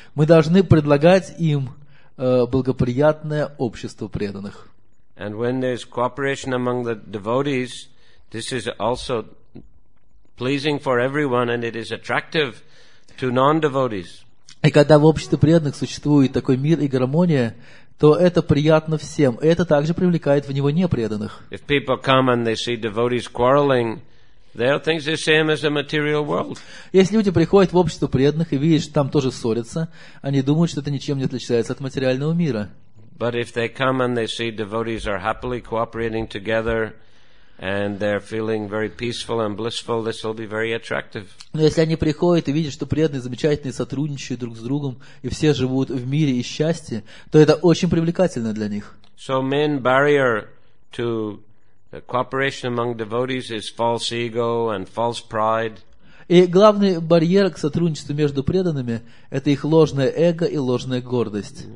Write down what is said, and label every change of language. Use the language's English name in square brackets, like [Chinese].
[Russian] Мы должны предлагать им благоприятное общество преданных. [English] And when there is cooperation among the devotees, this is also pleasing for everyone, and it is attractive to non-devotees. [Russian] И когда в обществе преданных существует такой мир и гармония, то это приятно всем, и это также привлекает в него непреданных. [English] If people come and they see devotees quarreling, they think the same as a material world. [Russian] Если люди приходят в общество преданных и видят, что там тоже ссорятся, они думают, что это ничем не отличается от материального мира. [English] But if they come and they see devotees are happily cooperating together, and they're feeling very peaceful and blissful, this will be very attractive. [Russian] Но если они приходят и видят, что преданные замечательные сотрудничают друг с другом и все живут в мире и счастье, то это очень привлекательно для них. [English] So main barrier to cooperation among devotees is false ego and false pride. [Russian] И главный барьер к сотрудничеству между преданными – это их ложное эго и ложная гордость.